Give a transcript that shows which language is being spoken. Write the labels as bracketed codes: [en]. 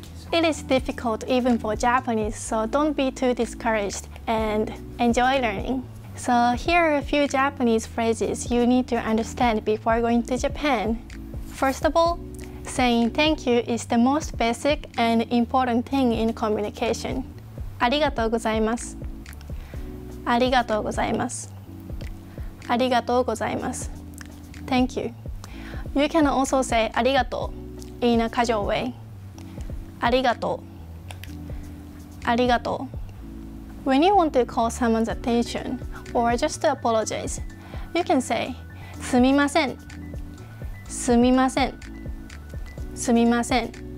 [en] It is difficult even for Japanese, so don't be too discouraged and enjoy learning. So here are a few Japanese phrases you need to understand before going to Japan. First of all, saying thank you is the most basic and important thing in communication. [ja] ありがとうございます。ありがとうございます。ありがとうございます。 [en] Thank you. You can also say ありがとう in a casual way. [ja] ありがとう。ありがとう。 [en] When you want to call someone's attention or just to apologize, you can say [ja] すみません。すみません。すみません。